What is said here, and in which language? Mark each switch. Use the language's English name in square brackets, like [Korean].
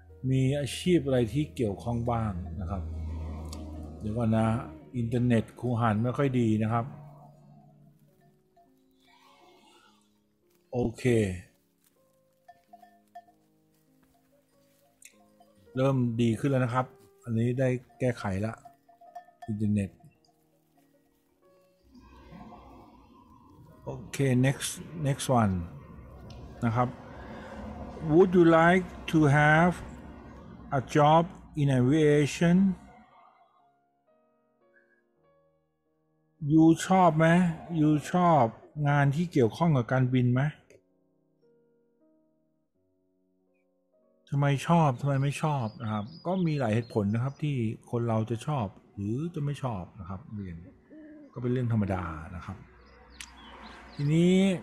[Thai] มีอาชีพอะไรที่เกี่ยวข้องบ้างนะครับเดี๋ยวก่อนนะอินเทอร์เน็ตครูหันไม่ค่อยดีนะครับโอเคเริ่มดีขึ้นแล้วนะครับอันนี้ได้แก้ไขละอินเทอร์เน็ตโอเค [English] next one [Thai] นะครับ [English] Would you like to have a job in aviation? [Thai] You ชอบไหม You ชอบงานที่เกี่ยวข้องกับการบินไหมทำไมชอบทำไมไม่ชอบนะครับก็มีหลายเหตุผลนะครับที่คนเราจะชอบหรือจะไม่ชอบนะครับเรียนก็เป็นเรื่องธรรมดานะครับทีนี้